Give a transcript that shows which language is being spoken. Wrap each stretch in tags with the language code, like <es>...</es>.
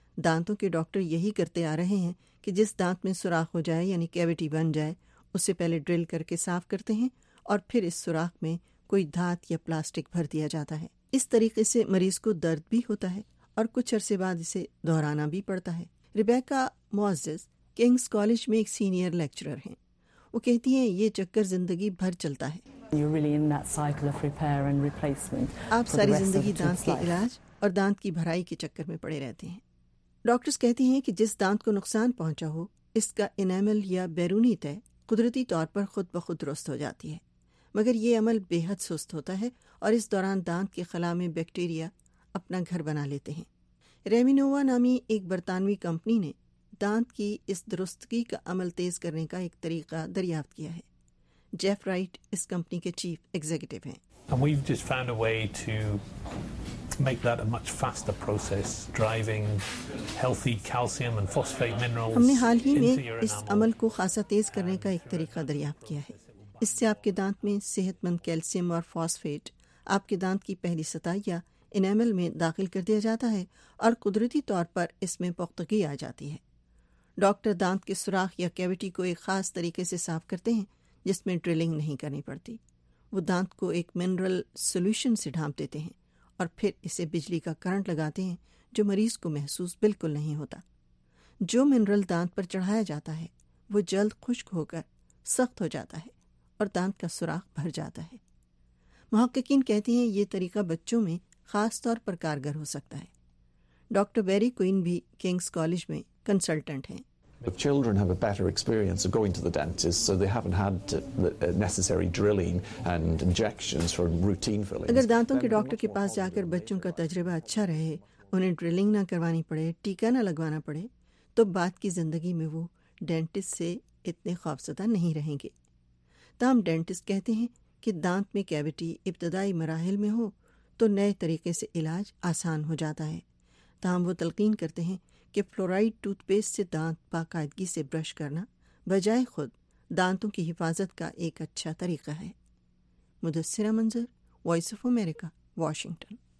<ur>دانتوں کے ڈاکٹر یہی کرتے آ رہے ہیں کہ جس دانت میں سوراخ ہو جائے یعنی کیویٹی بن جائے اس سے پہلے ڈرل کر کے صاف کرتے ہیں اور پھر اس سوراخ میں کوئی دھات یا پلاسٹک بھر دیا جاتا ہے۔ اس طریقے سے مریض کو درد بھی ہوتا ہے اور کچھ عرصے بعد اسے دہرانا بھی پڑتا ہے۔ ریبیکا معزز کنگز کالج میں ایک سینئر لیکچرر ہیں، وہ کہتی ہیں یہ چکر زندگی بھر چلتا ہے۔</ur> <en>You're really in that cycle of repair and replacement.</en> <ur>آپ ساری زندگی دانت کے علاج اور دانت کی بھرائی کے چکر میں پڑے رہتے ہیں۔ ڈاکٹرز کہتے ہیں کہ جس دانت کو نقصان پہنچا ہو اس کا انیمل یا بیرونی تہ قدرتی طور پر خود بخود درست ہو جاتی ہے، مگر یہ عمل بے حد سست ہوتا ہے اور اس دوران دانت کے خلا میں بیکٹیریا اپنا گھر بنا لیتے ہیں۔ ریمینووا نامی ایک برطانوی کمپنی نے دانت کی اس درستگی کا عمل تیز کرنے کا ایک طریقہ دریافت کیا ہے۔ جیف رائٹ اس کمپنی کے چیف ایگزیکٹو ہیں۔</ur> <en>We've just found a way to make that a much faster process, driving healthy calcium and phosphate minerals into your enamel.</en> <ur>ہم نے حال ہی میں اس عمل کو خاصا تیز کرنے کا ایک طریقہ دریافت کیا ہے۔ اس سے آپ کے دانت میں صحت مند کیلشیم اور فاسفیٹ آپ کے دانت کی پہلی سطح یا انیمل میں داخل کر دیا جاتا ہے اور قدرتی طور پر اس میں پختگی آ جاتی ہے۔ ڈاکٹر دانت کے سوراخ یا کیویٹی کو ایک خاص طریقے سے صاف کرتے ہیں جس میں ڈرلنگ نہیں کرنی پڑتی۔ وہ دانت کو ایک منرل سولوشن سے ڈھانپ دیتے ہیں اور پھر اسے بجلی کا کرنٹ لگاتے ہیں جو مریض کو محسوس بالکل نہیں ہوتا۔ جو منرل دانت پر چڑھایا جاتا ہے وہ جلد خشک ہو کر سخت ہو جاتا ہے اور دانت کا سوراخ بھر جاتا ہے۔ محققین کہتے ہیں یہ طریقہ بچوں میں خاص طور پر کارگر ہو سکتا ہے۔ ڈاکٹر بیری کوئن بھی کنگز کالج میں کنسلٹنٹ ہیں۔ If children have a better experience of going to the dentist so they haven't had the necessary drilling and injections for routine fillings. اگر دانتوں کے ڈاکٹر کے پاس جا کر بچوں کا تجربہ اچھا رہے، انہیں ڈرلنگ نہ کروانی پڑے، ٹیکہ نہ لگوانا پڑے، تو بعد کی زندگی میں وہ ڈینٹسٹ سے اتنے خوفزدہ نہیں رہیں گے۔ تاہم ڈینٹسٹ کہتے ہیں کہ دانت میں کیویٹی ابتدائی مراحل میں ہو تو نئے طریقے سے علاج آسان ہو جاتا ہے۔ تاہم وہ تلقین کرتے ہیں کہ فلورائڈ ٹوتھ پیسٹ سے دانت باقاعدگی سے برش کرنا بجائے خود دانتوں کی حفاظت کا ایک اچھا طریقہ ہے۔ مدثرہ منظر، وائس آف امریکہ، واشنگٹن۔</ur>